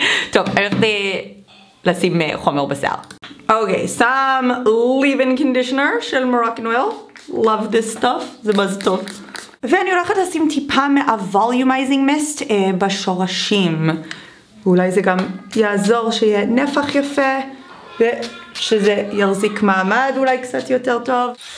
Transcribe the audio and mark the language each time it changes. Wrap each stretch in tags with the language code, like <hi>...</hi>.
<he>טוב, אני הולכתי לשים חומר בשיער.</he> <en>אוקיי, some leave-in conditioner</en> <he>של</he> <en>Moroccan oil. Love this stuff.</en> <he>זה מה זה טוב. ואני הולכת לשים טיפה מה-</he> <en>volumizing mist</en> <he>בשורשים. אולי זה גם יעזור שיהיה נפח יפה ושזה ירזיק מעמד אולי קצת יותר טוב.</he>